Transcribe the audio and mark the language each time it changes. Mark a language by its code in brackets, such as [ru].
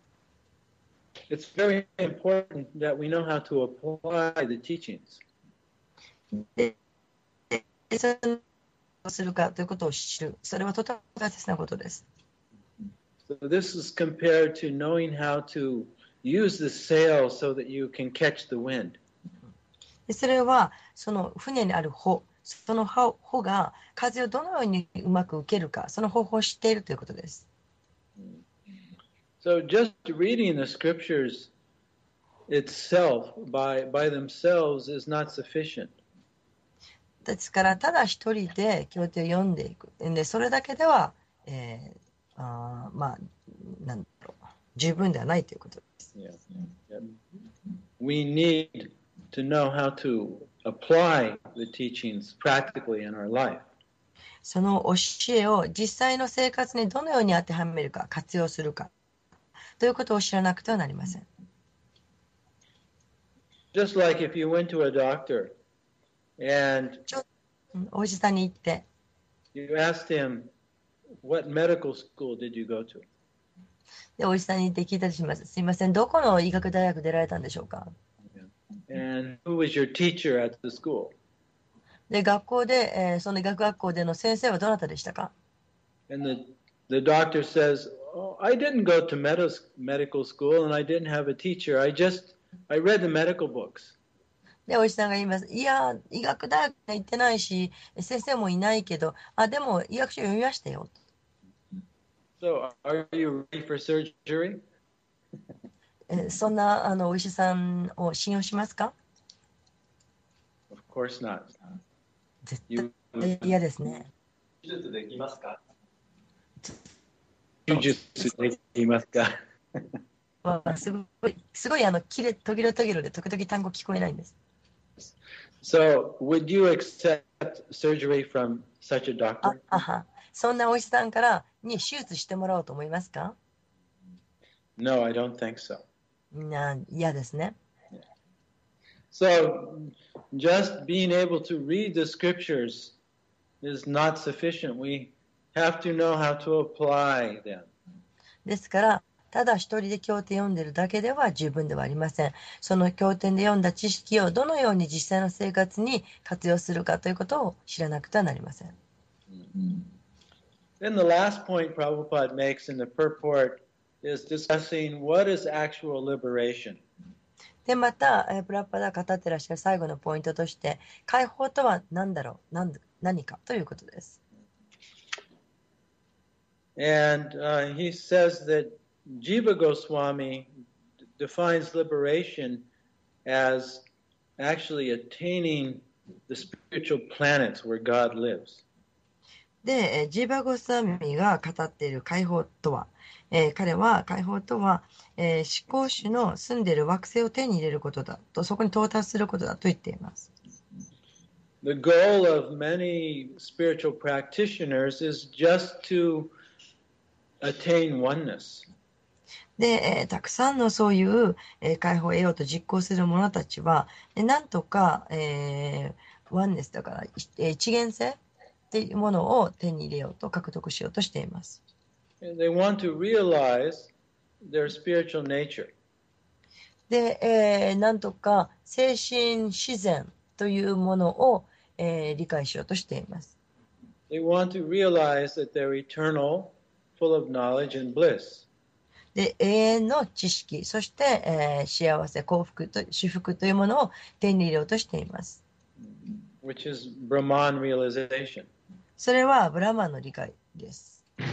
[en] っ It's very important that we know how to apply the teachings. [ja] で、それをどうするかということを知る。それはとても大切なことです。 [en] So this is compared to knowing how to use the sail so that you can catch the wind. [ja] それはその船にある帆、その帆が風をどのようにうまく受けるか、その方法を知っているということです。 [en] So just reading the scriptures itself by themselves is not sufficient. [ja] ですからただ一人で経典を読んでいく、でそれだけでは、まあ、なんだろう、十分ではないということです。 [en] Yeah. Yeah. We needto know how to apply the teachings practically in our life. [ja] その教えを実際の生活にどのように当てはめるか、活用するかということを知らなくてはなりません。 [en] Just like if you went to a doctor and [ja] お医者さんに行って、 [en] you asked him, what medical school did you go to? [ja] で、お医者さんに行って聞いたりします。すいません、どこの医学大学出られたんでしょうか? [en] And who was your teacher at the school? [ja] で、学校で、その学学校での先生はどなたでしたか? [en] And the doctor says, oh, I didn't go to medical school and I didn't have a teacher. I read the medical books. [ja] で、お医者さんが言います。いや、医学大学に行ってないし、先生もいないけど、あ、でも医学書読みましたよ。 [en] So, are you ready for surgery? [ja] そんなあのお医者さんを信用しますか? [en] Of course not. [ja] 絶対嫌ですね。手術できますか? 手術できますか? まあ、すごい、すごいあの、切れ、途切れ途切れで、時々単語聞こえないんです。 [en] So, would you accept surgery from such a doctor? [ja] あ、そんなお医者さんからに手術してもらおうと思いますか? [en] No, I don't think so. [ja] 嫌ですね。 [en] So, just being able to read the scriptures is not sufficient. We have to know how to apply them. [ja] ですから、ただ一人で経典を読んでるだけでは十分ではありません。その経典で読んだ知識をどのように実際の生活に活用するかということを知らなくてはなりません。 [en] Then the last point Prabhupada makes in the purport. Is discussing what is actual liberation. [ja] でまたプラッパダ語ってらっしゃる最後のポイントとして解放とは何だろう 何かということです。 [en] And he says that Jiva Goswami defines liberation as actually attaining the spiritual planets where God lives. [ja] で、ジーバゴスワミが語っている解放とは、彼は解放とは、思考主の住んでいる惑星を手に入れることだと、そこに到達することだと言っています。 [en] The goal of many spiritual practitioners is just to attain oneness. [ja] で、たくさんのそういう、解放を得ようと実行する者たちは、なんとか、oneness だから、一元性っていうものを手に入れようと、獲得しようとしています。 [en] And they want to realize their spiritual nature. [ja] で、なんとか精神自然というものを、理解しようとしています。 [en] They want to realize that they're eternal, full of knowledge and bliss. [ja] で、永遠の知識、そして、幸せ、幸福と、至福というものを手に入れようとしています。 [en] Which is Brahman realization. [ja] それはブラマンの理解です。